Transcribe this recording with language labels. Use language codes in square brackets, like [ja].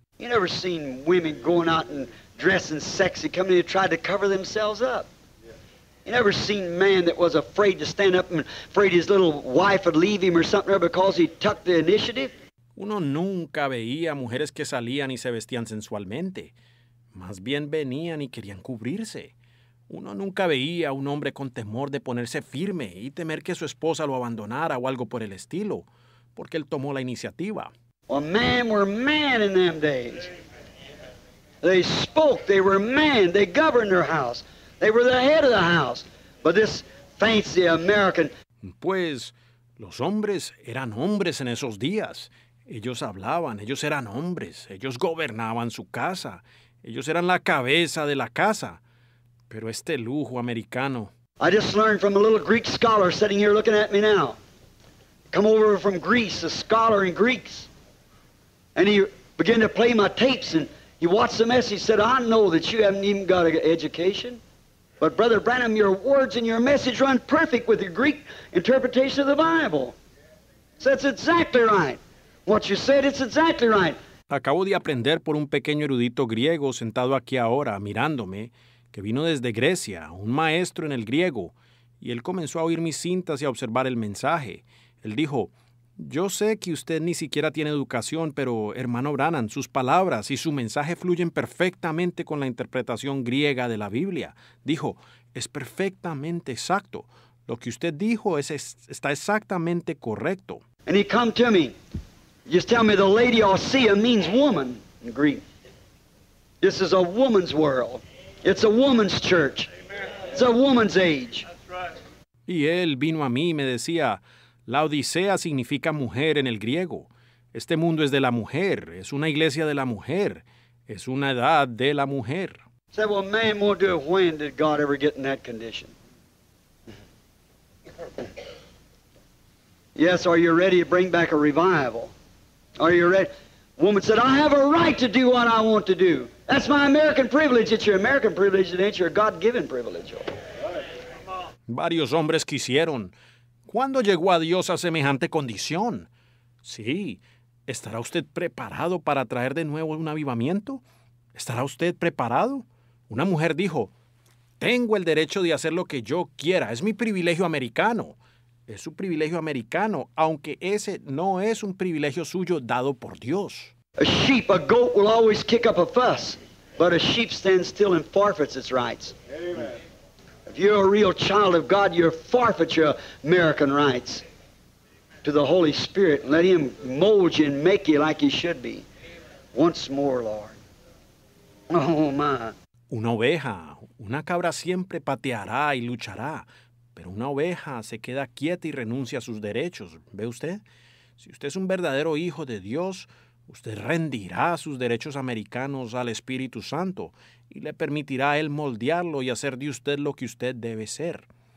[en] You never seen women going out and dressing sexy, coming to try to cover themselves up. You never seen man that was afraid to stand up and afraid his little wife would leave him or something because he tucked the initiative. [es] Uno nunca veía mujeres que salían y se vestían sensualmente. Más bien venían y querían cubrirse. Uno nunca veía a un hombre con temor de ponerse firme y temer que su esposa lo abandonara o algo por el estilo, porque él tomó la iniciativa. [en] Well, men were men in them days. They spoke, they were men, they governed their house. They were the head of the house. But this fancy American... [es] Pues, los hombres eran hombres en esos días. Ellos hablaban, ellos eran hombres, ellos gobernaban su casa. Ellos eran la cabeza de la casa. Pero este lujo americano... [en] I just learned from a little Greek scholar sitting here looking at me now. Come over from Greece, a scholar in Greeks. And he began to play my tapes and he watched the mess. He said, I know that you haven't even got an education. But Brother Branham, your words and your message run perfect with the Greek interpretation of the Bible. So that's exactly right. What you said, it's exactly right. [es] Acabo de aprender por un pequeño erudito griego sentado aquí ahora, mirándome, que vino desde Grecia, un maestro en el griego, y él comenzó a oír mis cintas y a observar el mensaje. Él dijo, yo sé que usted ni siquiera tiene educación, pero, hermano Branham, sus palabras y su mensaje fluyen perfectamente con la interpretación griega de la Biblia. Dijo, es perfectamente exacto. Lo que usted dijo está exactamente correcto. [en] And he come to me. Just tell me the lady Osea means woman in Greek. This is a woman's world. It's a woman's church. It's a woman's age. [es] Y él vino a mí y me decía, la Odisea significa mujer en el griego. Este mundo es de la mujer. Es una iglesia de la mujer. Es una edad de la mujer. [en] Said, well, man won't do it. When did God ever get in that condition? Yes, are you ready to bring back a revival? Are you ready? Woman said, I have a right to do what I want to do. That's my American privilege. It's your American privilege. It ain't your God-given privilege. [es] Varios hombres quisieron. ¿Cuándo llegó a Dios a semejante condición? Sí. ¿Estará usted preparado para traer de nuevo un avivamiento? ¿Estará usted preparado? Una mujer dijo, tengo el derecho de hacer lo que yo quiera. Es mi privilegio americano. Es su privilegio americano, aunque ese no es un privilegio suyo dado por Dios. [en] A sheep, a goat will always kick up a fuss, but a sheep stands still and forfeits its rights. Amen. If you're a real child of God, you forfeit your American rights to the Holy Spirit and let Him mold you and make you like you should be. Once more, Lord. Oh, my. [es] Una oveja, una cabra siempre pateará y luchará, pero una oveja se queda quieta y renuncia a sus derechos. ¿Ve usted? Si usted es un verdadero hijo de Dios, usted rendirá sus derechos americanos al Espíritu Santo y le permitirá a Él moldearlo y hacer de usted lo que usted debe ser.